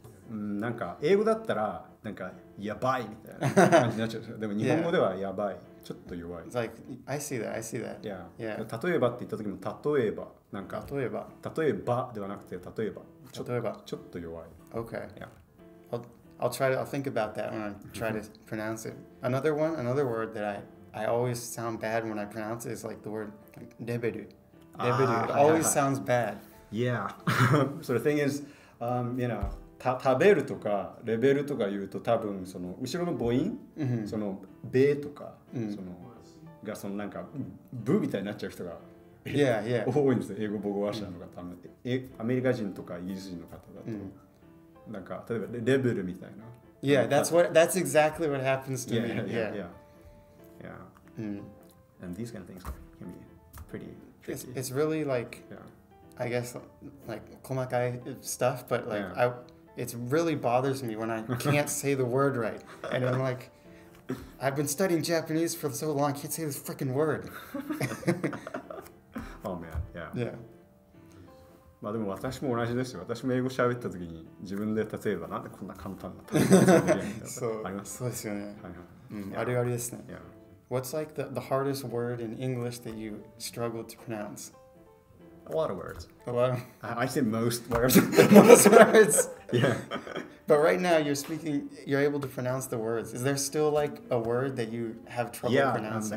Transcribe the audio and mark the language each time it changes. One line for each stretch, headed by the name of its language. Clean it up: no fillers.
Japanese: なんか、英語だったら、なんか、やばいみたいな感じになっちゃう。でも日本語ではやばい。
English: Yeah.
Japanese: ちょっと弱い。
English: It's like, I see that. Yeah.
Japanese: 例えばって言った時も、例えば、なんか、例えばではなくて、例えば、ちょっと弱い。
English: Okay. Yeah. I'll think about that when I try to pronounce it. Another word that I I always sound bad when I pronounce it. It's like the word deberu. Deberu. It always sounds bad. Yeah. So the thing is, you know,
Japanese: taberu とかレベルとか言うと多分その後ろの母音、mm-hmm. そのベとか、mm-hmm. そのがそのなんかブみたいになっちゃう人が
English: yeah, yeah.
Japanese: 多いんですよ。英語母語話者の方、mm-hmm. アメリカ人とかイギリス人の方だと、mm-hmm. なんか例えばレベルみたいな。
English: Yeah, that's what. That's exactly what happens to yeah, me. Yeah, yeah, yeah. Yeah. Mm. And these kind of things can be pretty tricky. It's really like, yeah. I guess, like komakai stuff. But like, yeah. It really bothers me when I can't say the word right. And I'm like, I've been studying Japanese for so long, I can't say this freaking word. Oh man. Yeah. Yeah.
Japanese: まあでも私も同じですよ。私も英語喋った時に自分で例えばなんでこんな簡単な単語があります。そうですよね。あるあるですね。
English: What's like the hardest word in English that you struggle to pronounce? A lot of words. A lot. I say most words. Most words. Yeah. But right now you're speaking. You're able to pronounce the words. Is there still like a word that you have trouble pronouncing?